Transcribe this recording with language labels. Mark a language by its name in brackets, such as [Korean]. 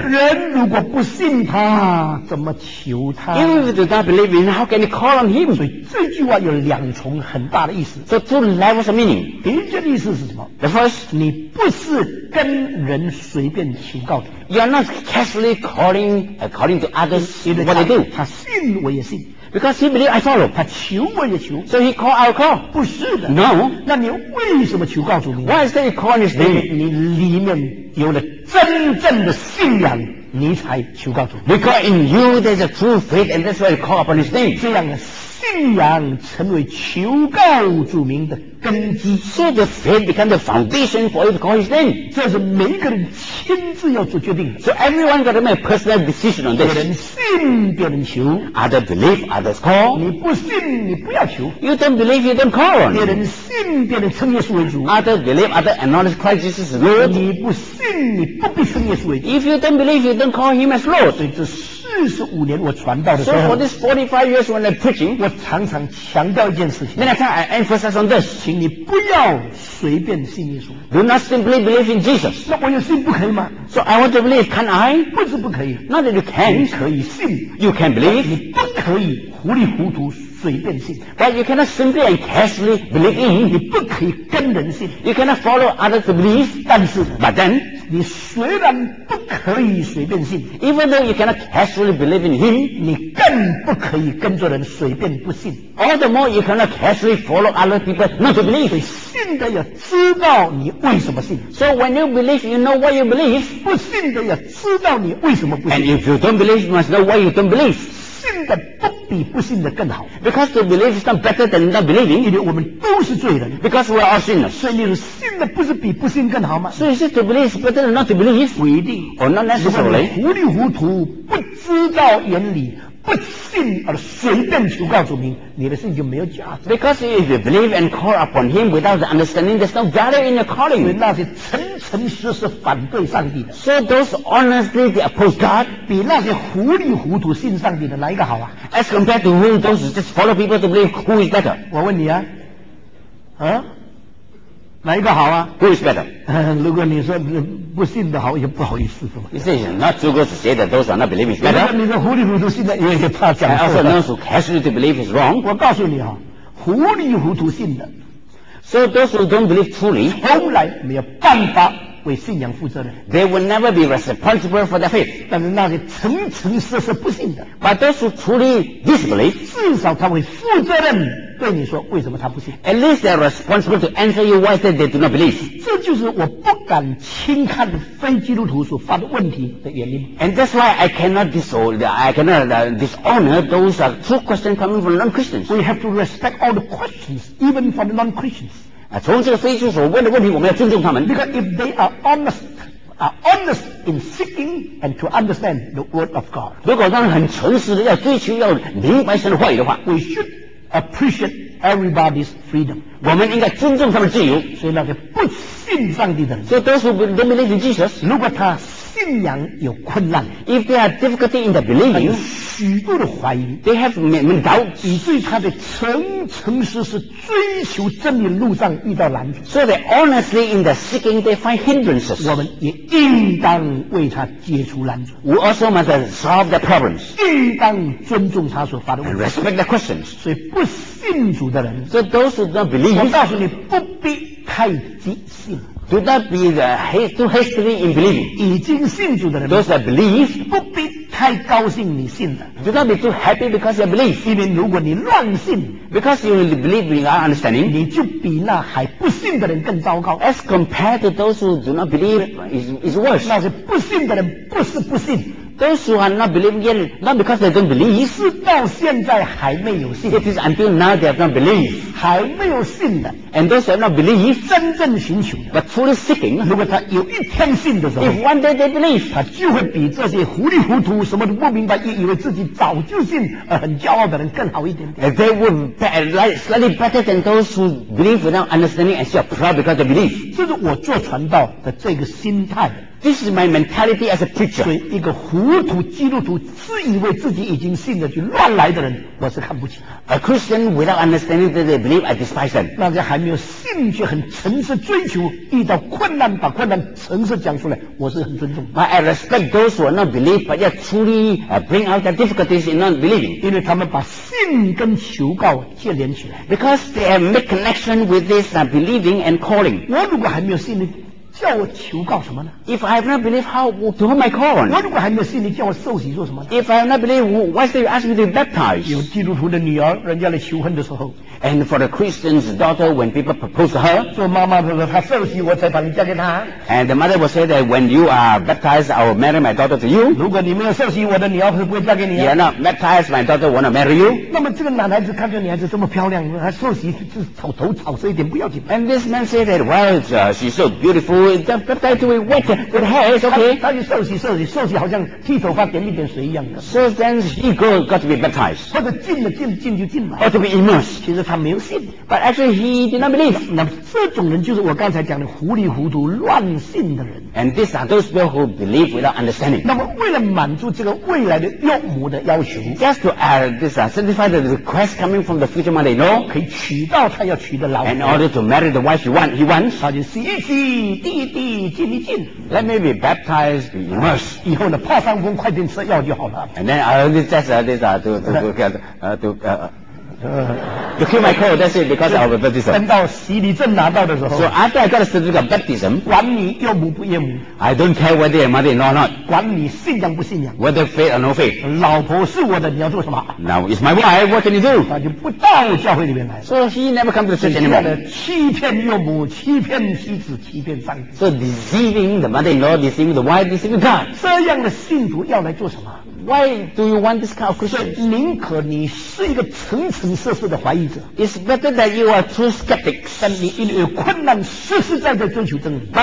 [Chinese] 人如果不信他，怎么求他 [English] ？If you do not believe in, how can you call on Him? [Chinese] 所以这句话有两重很大的意思。 [English] So two levels of meaning. [Chinese] 第一件意思是什么 [English] ？The first, [Chinese] 你不是跟人随便求告的。 [English] You are not casually calling, calling to others what they do. [Chinese] 他信我也信。 [English] Because he believes I follow. [Chinese] 他求我也求。 [English] So he called, I'll call. [Chinese] 不是的。 [English] No. [Chinese] 那你为什么求告主呢？ [English] Why is that he calling his name? [Chinese] 你里面有了真正的信仰，你才求告主。 [English] Because in you there's a true faith and that's why you call upon his name. [Chinese] 这样的信仰成为求告主名的根基。 [English] So the faith becomes the foundation for you to call His name. [Chinese] 这是每一个人亲自要做决定。 [English] So everyone got to make a personal decision on this. [Chinese] 有人信，别人求。 [English] Others believe, others call. [Chinese] 你不信，你不要求。 [English] You don't believe, you don't call. [Chinese] 别人信，别人称耶稣为主。 [English] Others believe, others acknowledge Christ Jesus as Lord. [Chinese] 你不信，你不必称耶稣为主。 [English] If you don't believe, you don't call Him as Lord. [Chinese] 所以这是45年我传道的时候。 [English] So for this 45 years when I'm preaching, [Chinese] 我常常强调一件事情。 [English] Many times I emphasize on this. [Chinese] 请你不要随便信耶稣。 [English] Do not simply believe in Jesus. [Chinese] 那我有信不可以吗？ [English] So I want to believe, can I? [Chinese] 不是不可以。 [English] Not that you can. [Chinese] 你可以信。 [English] You can believe. [Chinese] 你不可以糊里糊涂随便信。 [English] But you cannot simply and casually believe in. [Chinese] 你不可以跟人信。 [English] You cannot follow others to believe. [Chinese] 但是。 [English] But then. [Chinese] 你虽然不可以随便信 [English] Even though you cannot casually believe in him [Chinese] 你更不可以跟着人随便不信 [English] All the more you cannot casually follow other people not to believe [Chinese] 所以信的要知道你为什么信 [English] So when you believe you know what you believe [Chinese] 不信的要知道你为什么不信 [English] And if you don't believe you must know why you don't believe [Chinese] 信的不比不信的更好 [English] Because to believe is not better than not believing [Chinese] 因为我们都是罪人 [English] Because we are all sinners [Chinese] 所以你是信的不是比不信更好吗 [English] So is it to believe is better than not to believe [Chinese] 不一定 [English] Or not necessarily [Chinese] 糊里糊涂不知道原理不信而随便求告主名你的信就没有价值 [English] Because if you believe and call upon him without the understanding there's no value in your calling [Chinese] 所以那些诚诚实实反对上帝的 [English] So those honestly they oppose God [Chinese] 比那些糊里糊涂信上帝的哪一个好啊 [English] As compared to who those just follow people to believe who is better [Chinese] 我问你啊哪一个好啊 [English] Who is better [Chinese] 如果你说不信的好也不好意思是吧 [English] You say not too good to say that those are not believing is better [Chinese] 你说糊里糊涂信的因为也怕讲错 [English] And also those who casually to believe is wrong [Chinese] 我告诉你啊糊里糊涂信的 [English] So those who don't believe truly [Chinese] 从来没有办法为信仰负责的 [English] They will never be responsible for their faith [Chinese] 但是那些诚诚实实不信的 [English] But those who truly disbelieve [Chinese] 至少他会负责任对你说为什么他不信。 [English] At least they are responsible to answer you why they do not believe. [Chinese] 这就是我不敢轻看非基督徒所发的问题的原因。 [English] And that's why I cannot dishonor those true questions coming from non-Christians. We have to respect all the questions, even from non-Christians. [Chinese] 从这个非基督徒问的问题，我们要尊重他们。 [English] Because if they are honest in seeking and to understand the word of God. [Chinese] 如果他们很诚实的要追求要明白神的话语的话 [English] ，we should appreciate everybody's freedom. [Chinese] 我们应该尊重他们自由。所以那些不信上帝的人 [English] ，so those who don't believe in Jesus， [Chinese] 如果他信仰有困难 [English] ，if they have difficulty in the believing， [Chinese] 许多的怀疑 [English] ，they have many doubts， [Chinese] 以至于他的诚实追求真理路上遇到难题 [English] ，so they honestly in the seeking they find hindrances。 [Chinese] 我们也应当为他解除难阻 [English] ，we also must solve the problems。 [Chinese] 应当尊重他所发的问题 [English] ，and respect the questions。 [Chinese] 所以不信主的人 [English] ，so those who don't believe， [Chinese] 我告诉你不必太急信。 [English] Do not be too hastily in believing. [Chinese] 已经信主的人 [English] Those that believe [Chinese] 不必太高兴你信的 [English] Do not be too happy because you believe. [Chinese] 因为如果你乱信 [English] Because you believe in our understanding [Chinese] 你就比那还不信的人更糟糕 [English] As compared to those who do not believe is worse. [Chinese] 那是不信的人不是不信 [English] Those who are not believing yet not because they don't believe. [Chinese] 是到现在还没有信 [English] It is until now they have not believed. [Chinese] 还没有信的 [English] And those who have not believed, [Chinese] 真正寻求的 [English] but truly seeking, [Chinese] 如果他有一天信的时候 [English] if one day they believe, [Chinese] 他就会比这些糊里糊涂什么都不明白也以为自己早就信很骄傲的人更好一点点 [English] they would be slightly better than those who believe without understanding and still proud because they believe. [Chinese] 这是我做传道的这个心态 [English] This is my mentality as a preacher. [Chinese] 所以一个糊涂基督徒自以为自己已经信了就乱来的人我是看不起 [English] A Christian without understanding that they believe, I despise them. [Chinese] 那就还没有兴趣很诚实追求遇到困难把困难诚实讲出来我是很尊重 [English] But I respect those who are not believe but yet truly bring out their difficulties in not believing [Chinese] 因为他们把信跟求告接连起来 [English] Because they make connection with this believing and calling [Chinese] 我如果还没有信呢叫我求告什么呢 [English] If I have not believed how to whom I call on [Chinese] 我如果还没有信你叫我受洗做什么呢 [English] If I have not believed why should you ask me to be baptized [Chinese] 有基督徒的女儿人家来求婚的时候 [English] And for the Christian's daughter when people propose to her [Chinese] 做妈妈的时候她受洗我才把你嫁给她 [English] And the mother will say that when you are baptized I will marry my daughter to you [Chinese] 如果你没有受洗我的女儿不是不会嫁给你 [English] You are not baptized my daughter will not marry you [Chinese] 那么这个男孩子看着女孩子这么漂亮她受洗就草头草色一点不要紧 [English] And this man said that well she's so beautifulWith the baptized to be wet with hair, it's okay. [Chinese] 他就受洗好像剃头发点一点水一样的。 [English] So then he got to be baptized. [Chinese] 或者进就进嘛。 [English] Or to be immersed. [Chinese] 其实他没有信。 [English] But actually he did not believe. [Chinese] 那这种人就是我刚才讲的糊里糊涂乱信的人。 [English] And these are those people who believe without understanding. [Chinese] 那么为了满足这个未来的岳母的要求 [English] ，just to satisfy the request coming from the future mother, no? [Chinese] 可以娶到他要娶的老婆。 [English] In order to marry the wife he wants. [Chinese] 他就洗一洗。进一进 [English] Let me be baptized, be immersed. [Chinese] 以后呢，泡上风，快点吃药就好了。 [English] And then I only just to kill my cold. That's it because of baptism. [Chinese] 等到洗礼证拿到的时候 [English] ，So after I got the certificate of baptism, [Chinese] 管你岳母不岳母 [English] ，I don't care whether your mother in law or not. [Chinese] 管你信仰不信仰 [English] ，Whether faith or no faith. [Chinese] 老婆是我的，你要做什么 [English] ？Now it's my wife. What can you do? [Chinese] 他就不到教会里面来。 [English] So he never comes to the church anymore. [Chinese] 欺骗岳母，欺骗妻子，欺骗上帝。 [English] So deceiving the mother in law, deceiving the wife, deceiving God. [Chinese] 这样的信徒要来做什么？ [English] Why do you want this kind of Christian? [Chinese] 宁可你是一个层层色色的怀疑者。 [English] It's better that you are too skeptics. [Chinese] 但你因为有困难，实实在在追求真理。